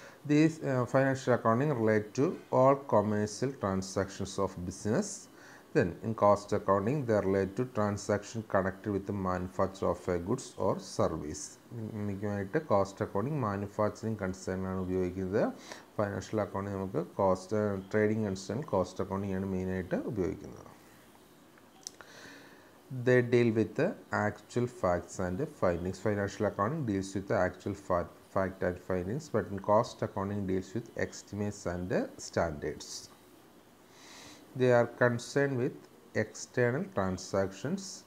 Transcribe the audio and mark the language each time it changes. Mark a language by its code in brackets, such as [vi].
[en] This financial accounting relate to all commercial transactions of business. Then in cost accounting they relate to transaction connected with the manufacture of a goods or service. [ml] ഇതിനായിട്ട് cost accounting manufacturing concern ആണ് ഉപയോഗിക്കുന്നത്. Financial accounting നമുക്ക് cost trading concern cost accounting ആണ് മെയിനായിട്ട് ഉപയോഗിക്കുന്നത്. [en] They deal with the actual facts and findings. Financial accounting deals with the actual fact and findings, but in cost accounting deals with estimates and standards. They are concerned with external transactions.